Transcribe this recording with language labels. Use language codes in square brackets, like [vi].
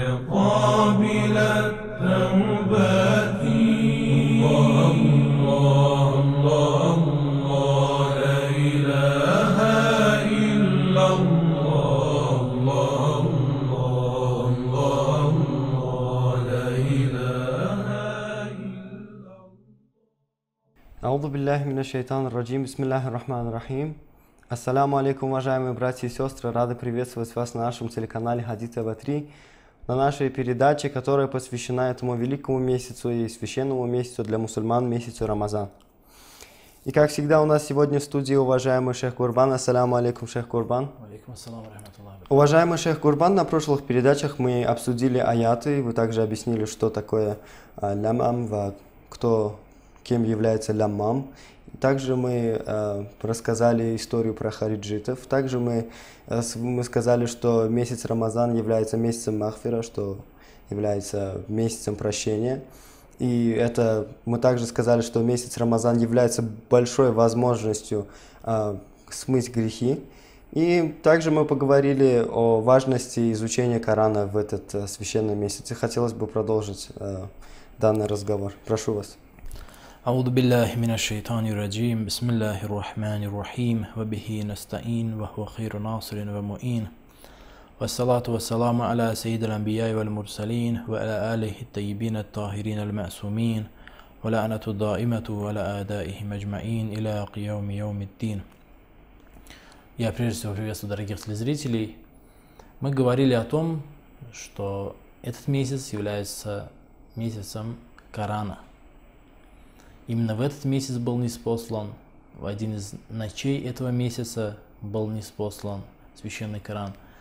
[ar] قابل التوبات الله الله الله لا إله إلا الله الله لا إله إلا الله. أعوذ بالله من الشيطان الرجيم. بسم الله الرحمن الرحيم. [ru] Ассаляму алейкум, уважаемые братья и сестры, рады приветствовать вас на нашем телеканале Хадит ТВ 3, на нашей передаче, которая посвящена этому великому месяцу и священному месяцу для мусульман, месяцу Рамазан. И как всегда у нас сегодня в студии уважаемый шейх Курбан. Ассаляму алейкум, шейх Курбан. Алейкум ассалям, рахматуллах. Уважаемый шейх Курбан, на прошлых передачах мы обсудили аяты, вы также объяснили, что такое лямам, кто, кем является лямам. Также мы рассказали историю про хариджитов. Также мы сказали, что месяц Рамазан является месяцем махфира, что является месяцем прощения. И это мы также сказали, что месяц Рамазан является большой возможностью смыть грехи. И также мы поговорили о важности изучения Корана в этот священный месяц. И хотелось бы продолжить данный разговор. Прошу вас. [ar] أعوذ بالله من الشيطان الرجيم بسم الله الرحمن الرحيم وبه نستعين وهو خير ناصر ومؤين والصلاة والسلام على سيد الأنبياء والمرسلين وعلى آله الطيبين الطاهرين المعصومين ولعنة الدائمة على أعدائهم أجمعين إلى قيام يوم الدين. [ru] Я прежде всего приветствую дорогих телезрителей. Мы говорили о том, что этот месяц является месяцем Корана. Именно в этот месяц был ниспослан, в один из ночей этого месяца был ниспослан священный Коран.